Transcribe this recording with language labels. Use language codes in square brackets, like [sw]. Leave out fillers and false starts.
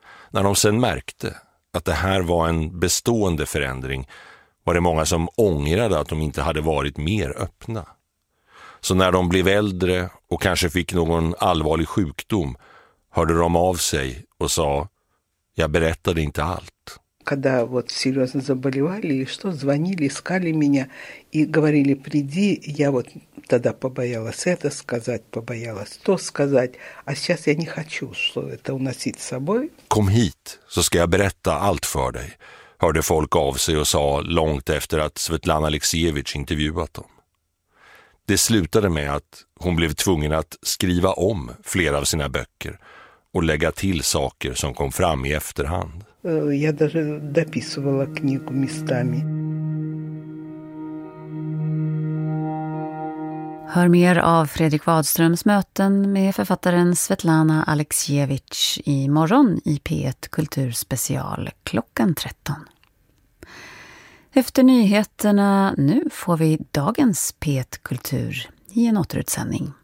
[sv] När de sen märkte att det här var en bestående förändring var det många som ångrade att de inte hade varit mer öppna. Så när de blev äldre och kanske fick någon allvarlig sjukdom hörde de av sig och sa: jag berättade inte allt. [ru] Когда вот серьезно заболевали или что, звонили, искали меня и говорили: приди. Я вот тогда побоялась это сказать, побоялась то сказать. А сейчас я не хочу, что это уносить с собой. [sv] Kom hit, så ska jag berätta allt för dig, hörde folk av sig och sa långt efter att Svetlana Alexievich intervjuat dem. Det slutade med att hon blev tvungen att skriva om flera av sina böcker och lägga till saker som kom fram i efterhand. [ru] Jag даже дописывала книгу местами. [sv] Hör mer av Fredrik Wadströms möten med författaren Svetlana Alexievich i morgon i P1 Kulturspecial klockan 13. Efter nyheterna nu får vi dagens P1 Kultur i en återutsändning.